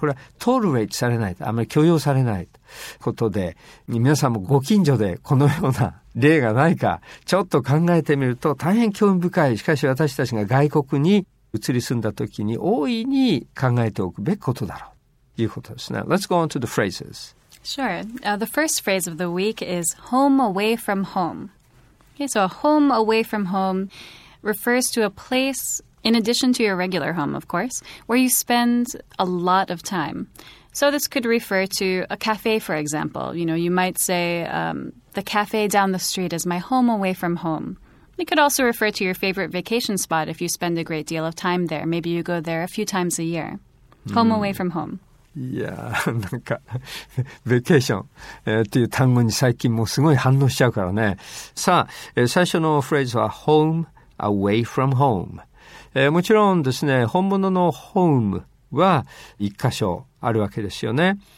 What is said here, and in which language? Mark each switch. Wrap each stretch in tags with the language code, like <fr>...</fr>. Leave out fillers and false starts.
<ja>これはトレレートされないと。あんまり許容されないということで、皆さんもご近所でこのような例がないか、ちょっと考えてみると大変興味深い。しかし私たちが外国に移り住んだ時に大いに考えておくべきことだろう。</ja> <en>Let's go on to the phrases. Sure. The first phrase of the week is home away from home. Okay, so a home away from home refers to a place, in addition to your regular home, of course, where you spend a lot of time. So this could refer to a cafe, for example. You know, you might say, the cafe down the street is my home away from home. It could also refer to your favorite vacation spot if you spend a great deal of time there. Maybe you go there a few times a year. Home away from home.</en> <ja>いやなんか、ベケーション、っていう単語に最近もうすごい反応しちゃうからね。さあ、最初のフレーズは、home away from home。もちろんですね、本物の home は一箇所あるわけですよね。</ja>